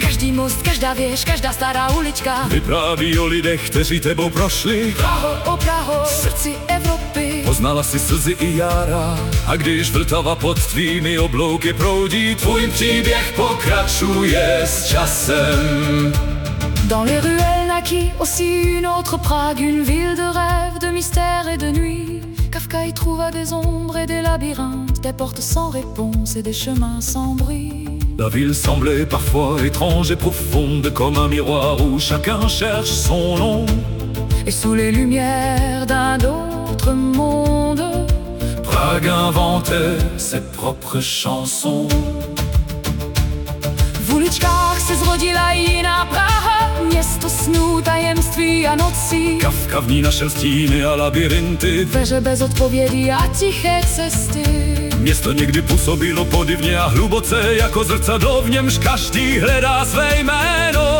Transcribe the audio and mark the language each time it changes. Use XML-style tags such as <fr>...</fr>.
<cs>Každý most, každá věž, každá stará ulička vypráví o lidech, kteří tebou prošli. Praho, oh Praho, v srdci Evropy poznala si slzy i jara, a když Vltava pod tvými oblouky proudí, tvůj příběh pokračuje s časem.</cs> <fr>Dans les ruelles naquit aussi une autre Prague, une ville de rêve, de mystère et de nuit. Kafka y trouva des ombres et des labyrinthes, des portes sans réponse et des chemins sans bruit. La ville semblait parfois étrange et profonde, comme un miroir où chacun cherche son nom. Et sous les lumières d'un autre monde, Prague inventait ses propres chansons.</fr> <cs>V uličkách se zrodila jiná Praha, město snů, tajemství a nocí. Kafka v ní našel stíny a labyrinty, dveře bez odpovědí a tiché cesty. Město někdy působilo podivně a hluboce, jako zrcadlo, v němž každý hledá své jméno.</cs>